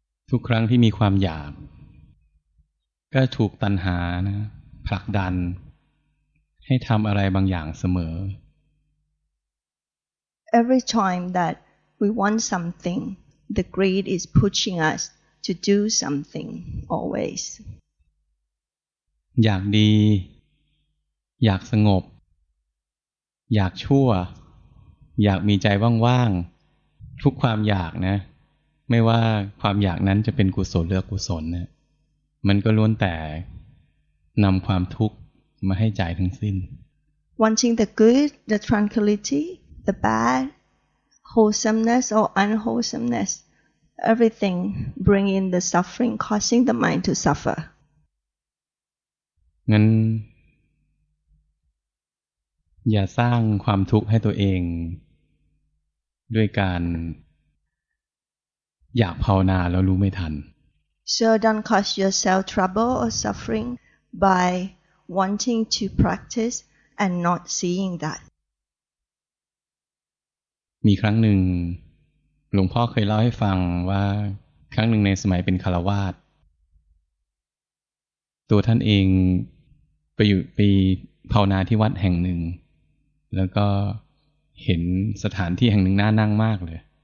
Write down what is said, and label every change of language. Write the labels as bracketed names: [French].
[Thai] ทุกครั้งที่มีความอยากก็ถูกตัณหานะผลักดันให้ทำอะไรบางอย่างเสม [English] อ Every time that we want something the greed is pushing us to do something always [Thai] อยากดีอยากสงบอยากชั่วอยากมีใจว่างๆทุกความอยากนะไม่ว่าความอยากนั้นจะเป็นกุศลหรืออกุศลนะมันก็ล้วนแต่นำความทุกข์มาให้ใจทั้งสิ้น [English] Wanting the good, the tranquility, the bad, wholesomeness or unwholesomeness, everything bringing the suffering, causing the mind to suffer. [Thai] งั้นอย่าสร้างความทุกข์ให้ตัวเองด้วยการอยากภาวนาแล้วรู้ไม่ทัน [English] So don't cause yourself trouble or suffering by wanting to practice and not seeing that. [Thai] มีครั้งหนึ่งหลวงพ่อเคยเล่าให้ฟังว่าครั้งหนึ่งในสมัยเป็นคฤหัสถ์ตัวท่านเองไปอยู่ไปภาวนาที่วัดแห่งหนึ่งแล้วก็เห็นสถานที่แห่งหนึ่งน่านั่งมากเลย